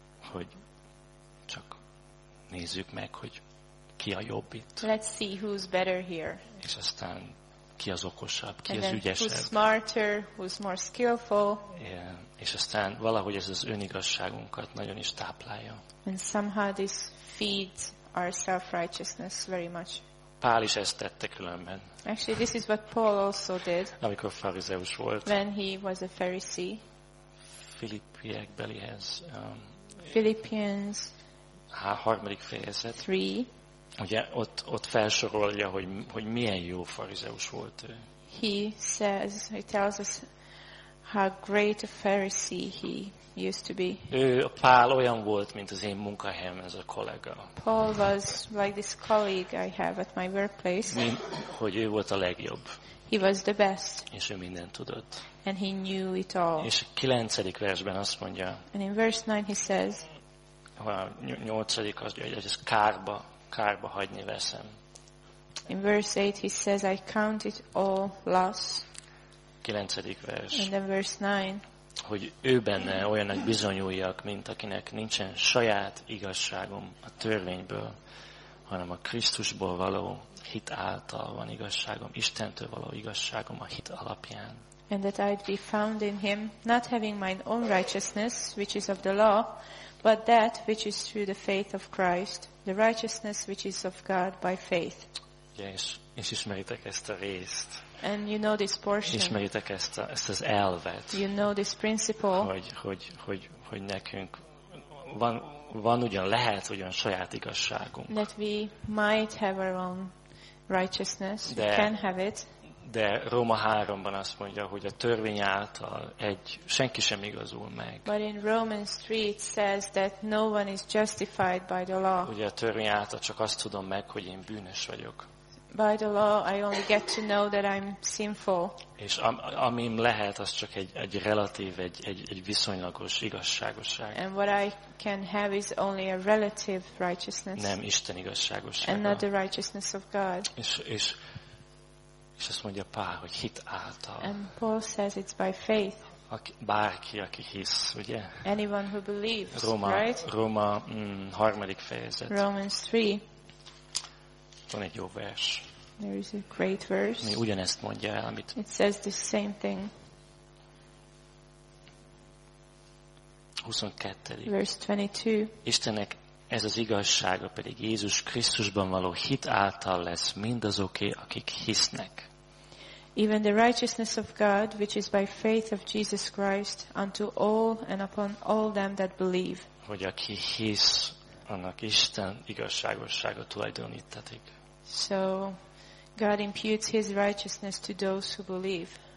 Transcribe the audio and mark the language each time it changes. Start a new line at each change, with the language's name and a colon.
Hungarian: Hogy csak nézzük meg, hogy ki a jobb itt.
English: Let's see who's better here.
Hungarian: És aztán ki az okosabb, ki
English: and
Hungarian: az ügyesebb.
English: Who's smarter, who's more skillful. Yeah.
Hungarian: És aztán valahogy ez az önigazságunkat nagyon is táplálja.
English: And somehow this feeds our self-righteousness very much.
Hungarian: Pál is ezt tette különben.
English: Actually, this is what Paul also did.
Hungarian: Amikor farizeus volt.
English: When he was a Pharisee.
Hungarian: Filippiekbelihez.
English: Philippians.
Hungarian: A harmadik fejezet.
English: 3.
Hungarian: Ugye ott felsorolja, hogy milyen jó farizeus volt ő.
English: He tells us how great a Pharisee he used to be.
Hungarian: Ő, Pál olyan volt, mint az én munkahelyem, ez a kollega.
English: Paul was like this colleague I have at my workplace.
Hungarian: Hogy ő volt a legjobb.
English: He was the best.
Hungarian: És ő mindent tudott.
English: And he knew it all.
Hungarian: És a 9. versben azt mondja.
English: And in verse 9 he says.
Hungarian: nyolcadik az, hogy ezt kárba hagyni veszem.
English: In verse 8 he says, I count it all loss.
Hungarian: 9. vers.
English: And then verse 9.
Hungarian: Hogy ő benne olyannak bizonyuljak, mint akinek nincsen saját igazságom a törvényből, hanem a Krisztusból való hit által van igazságom, Istentől való igazságom a hit alapján.
English: And that I'd be found in him, not having my own righteousness, which is of the law, but that which is through the faith of Christ, the righteousness which is of God by faith.
Hungarian: Yes, és ismeritek ezt a részt.
English: And you know this portion.
Hungarian: Ismeritek ezt az elvet.
English: You know this principle.
Hungarian: Hogy nekünk van ugyan, lehet ugyan saját igazságunk.
English: That we might have our own righteousness.
Hungarian: De,
English: we can have it.
Hungarian: De Róma 3-ban azt mondja, hogy a törvény által senki sem igazul meg.
English: But in Romans 3 it says that no one is justified by the law.
Hungarian: Ugye a törvény által csak azt tudom meg, hogy én bűnös vagyok.
English: By the law I only get to know that I'm sinful.
Hungarian: És amim lehet, az csak egy relatív, egy viszonylagos igazságosság.
English: And what I can have is only a relative righteousness.
Hungarian: Nem Isten igazságossága.
English: And not the righteousness of God.
Hungarian: És azt mondja Pál, hogy hit által.
English: And Paul says it's by faith.
Hungarian: Bárki, aki hisz, ugye?
English: Anyone who believes,
Hungarian: Róma,
English: right?
Hungarian: Róma 3. fejezet.
English: Romans 3.
Hungarian: Van egy jó vers.
English: There is a great verse.
Hungarian: Mi ugyanezt mondja el, amit...
English: It says the same thing.
Hungarian: 22.
English: Verse 22.
Hungarian: Istennek ez az igazsága pedig Jézus Krisztusban való hit által lesz mindazoké, akik hisznek.
English: Even the righteousness of God, which is by faith of Jesus Christ, unto all and upon all them that believe.
Hungarian: Hogy aki hisz, annak Isten igazságossága tulajdonítatik. So God imputes his righteousness to those who believe.